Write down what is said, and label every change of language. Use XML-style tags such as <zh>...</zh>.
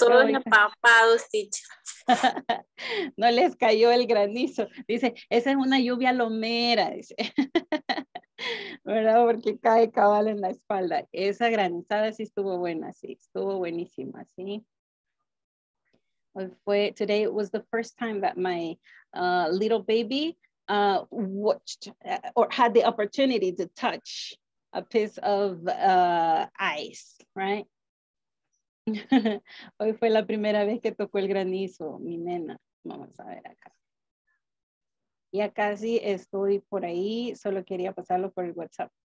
<es>fue? Todo empapado, teacher. No les cayó el granizo. Dice, esa es una lluvia lomera. Dice. ¿verdad? Porque cae cabal en la espalda. Esa granizada sí estuvo buena, sí, estuvo buenísima, sí.</es> <en>Fue, today was the first time that my little baby watched or had the opportunity to touch a piece of ice, right?</en> <es>Hoy fue la primera vez que tocó el granizo, mi nena. Vamos a ver acá. Ya casi estoy por ahí, solo quería pasarlo por el WhatsApp.</es>